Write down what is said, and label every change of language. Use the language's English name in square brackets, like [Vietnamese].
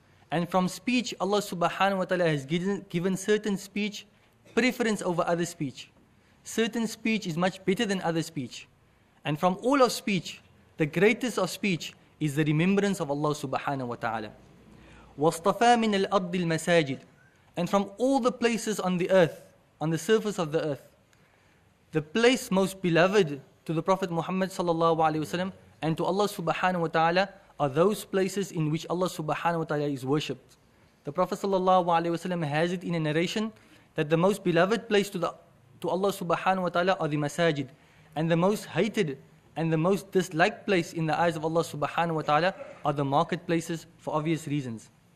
[English] And from speech, Allah subhanahu wa ta'ala has given certain speech preference over other speech. Certain speech is much better than other speech. And from all of speech, the greatest of speech is the remembrance of Allah subhanahu wa ta'ala. [Arabic] واصطفى من الأرض المساجد. [English] And from all the places on the earth, on the surface of the earth, the place most beloved to the Prophet Muhammad sallallahu alayhi wa sallam and to Allah subhanahu wa ta'ala are those places in which Allah subhanahu wa ta'ala is worshipped. The Prophet sallallahu alayhi wa sallam has it in a narration that the most beloved place to Allah subhanahu wa ta'ala are the masajid, and the most hated and the most disliked place in the eyes of Allah subhanahu wa ta'ala are the marketplaces, for obvious reasons.